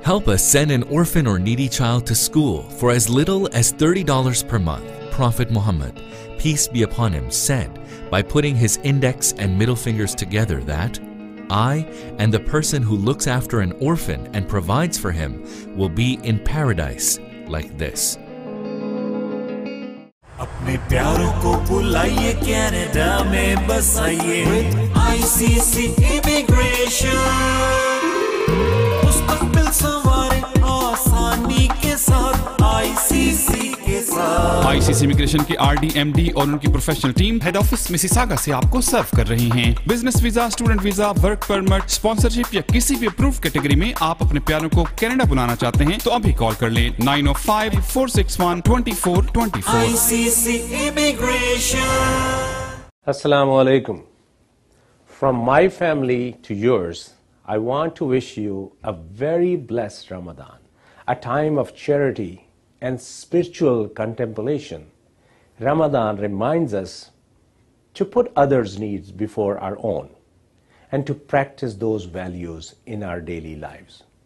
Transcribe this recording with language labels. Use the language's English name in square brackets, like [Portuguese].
[English] Help us send an orphan or needy child to school for as little as $30 per month. Prophet Muhammad, peace be upon him, said, by putting his index and middle fingers together that I and the person who looks after an orphan and provides for him will be in paradise like this. [Hindi] अपने प्यारों को बुलाइए Canada में बसाइए ICC immigration उस पर मिल सवारे आसानी के साथ आईसीसी ICC Immigration के RDMD और उनकी professional team head office Mississauga से आपको सर्व कर रही हैं। Business visa student visa work permit sponsorship या किसी भी अप्रूव कैटेगरी में आप अपने प्यारों को कनाडा बुलाना चाहते हैं तो अभी कॉल कर लें 905-461-2424 ICC Immigration [English] Assalamu alaikum From my family to yours I want to wish you a very blessed Ramadan a time of charity and spiritual contemplation. Ramadan reminds us to put others' needs before our own and to practice those values in our daily lives.